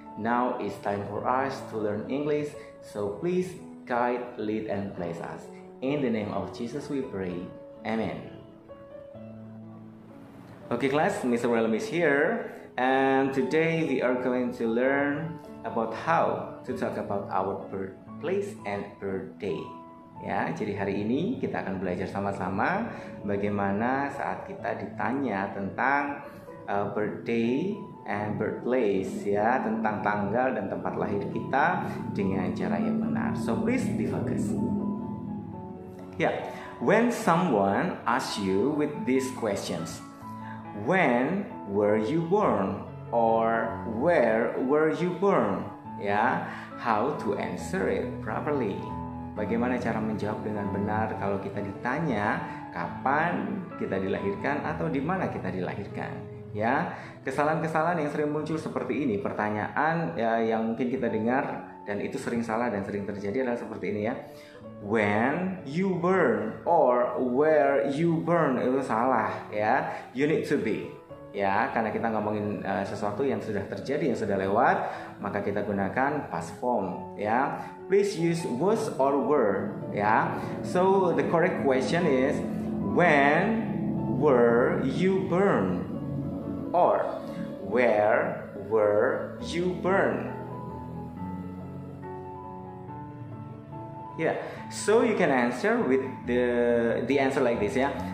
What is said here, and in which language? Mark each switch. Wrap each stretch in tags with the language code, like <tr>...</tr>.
<en>Now it's time for us to learn English, so please guide, lead and bless us. In the name of Jesus we pray, Amen. Okay class, Mr. Willem is here. And today we are going to learn about how to talk about our birthplace and birthday.</en> <id>Ya, jadi hari ini kita akan belajar sama-sama bagaimana saat kita ditanya tentang</id> <en>birthday and birthplace,</en> <id>ya, tentang tanggal dan tempat lahir kita dengan cara yang benar.</id> <en>So please be focused. Ya, when someone asks you with these questions, when were you born? Or where were you born? Yeah, how to answer it properly?</en> <id>Bagaimana cara menjawab dengan benar kalau kita ditanya kapan kita dilahirkan atau di mana kita dilahirkan? Yeah, kesalahan-kesalahan yang sering muncul seperti ini, pertanyaan ya, yang mungkin kita dengar dan itu sering salah dan sering terjadi adalah seperti ini ya.</id> <en>When you born or where you born,</en> <id>itu salah ya.</id> <en>You need to be.</en> <id>Ya, karena kita ngomongin sesuatu yang sudah terjadi, yang sudah lewat, maka kita gunakan past form, ya.</id> <en>Please use was or were, ya. So the correct question is when were you born or where were you born? Yeah. So you can answer with the answer like this, ya.</en>